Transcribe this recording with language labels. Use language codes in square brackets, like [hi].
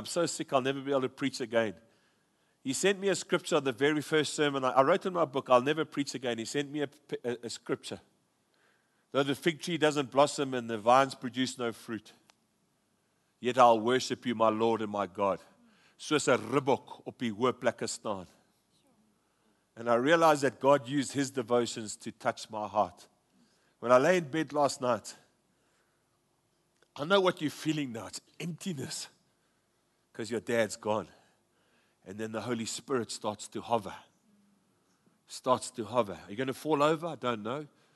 [en] I'm so sick I'll never be able to preach again. He sent me a scripture, the very first sermon. I wrote in my book, I'll never preach again. He sent me a scripture. Though the fig tree doesn't blossom and the vines produce no fruit, yet I'll worship you, my Lord and my God. [af] Soos 'n ribbok op die hoë plekke staan. [en] And I realized that God used his devotions to touch my heart. When I lay in bed last night, I know what you're feeling now. It's emptiness because your dad's gone. And then the Holy Spirit starts to hover. Are you going to fall over? I don't know.